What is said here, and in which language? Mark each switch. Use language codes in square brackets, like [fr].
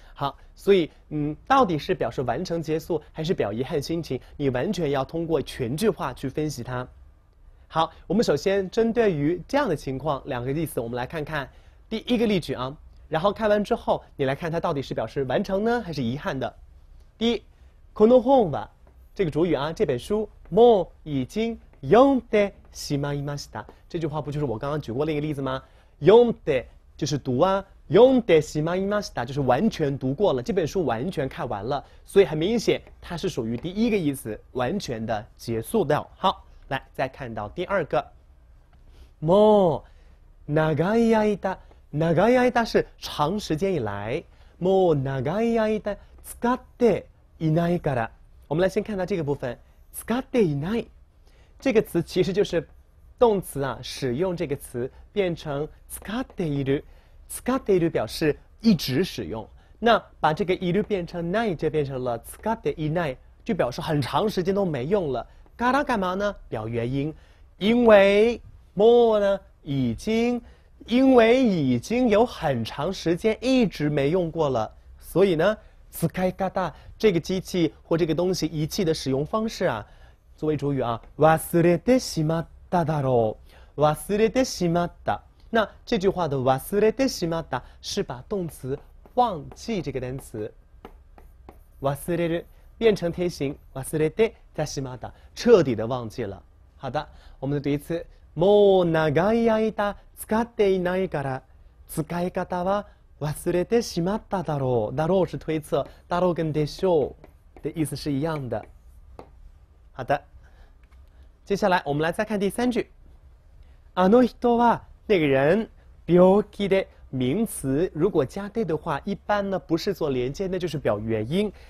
[zh] 好，所以到底是表示完成结束还是表遗憾心情，你完全要通过全句话去分析它。好，我们首先针对于这样的情况两个例子，我们来看看第一个例句啊，然后看完之后你来看它到底是表示完成呢还是遗憾的。第一， [ja] この本は， [zh] 这个主语啊，这本书 [ja] もう [zh] 已经 [ja] 読んでしまいました， [zh] 这句话不就是我刚刚举过那个例子吗？読んで就是读啊， [ja] 読んでしまいました [zh] 就是完全读过了，这本书完全看完了，所以很明显它是属于第一个意思，完全的结束掉。好，来再看到第二个， [ja] もう長い間， [zh] 長い間是长时间以来， [ja] もう長い間使っていないから， [zh] 我们来先看到这个部分， [ja] 使っていない [zh] 这个词其实就是动词啊，使用这个词变成使っている，使っている表示一直使用，那把这个いる变成ない就变成了使っていない，就表示很长时间都没用了。から干嘛呢？表原因，因为もう呢已经，因为已经有很长时间一直没用过了，所以呢使い方，这个机器或这个东西仪器的使用方式啊，作为主语啊， [ja] 忘れてしまっただろう，忘れてしまった。 [zh] 那这句话的忘れてしまった是把动词忘记这个单词，忘れる变成贴形，忘れてしまった，彻底的忘记了。好的，我们再读一次， [ja] もう長い間使っていないから，使い方は忘れてしまっただろう。 [zh] だろう是推测，だろう跟でしょう的意思是一样的。好的，接下来我们来再看第三句。 [ja] あの人は， [zh] 那个人， [ja] 病気で， [zh] 名词如果加で的话，一般呢不是做连接，那就是表原因。